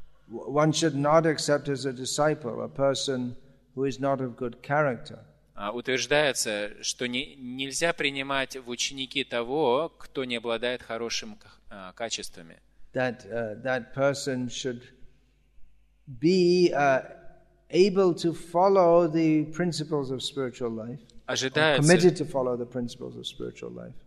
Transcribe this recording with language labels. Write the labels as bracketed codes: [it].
[en] One should not accept as a disciple a person who is not of good character. [ru] Утверждается, что нельзя принимать в ученики того, кто не обладает хорошими качествами. [en] That person should be able to follow the principles of spiritual life. [ru] Ожидается, [en] committed to follow the principles of spiritual life.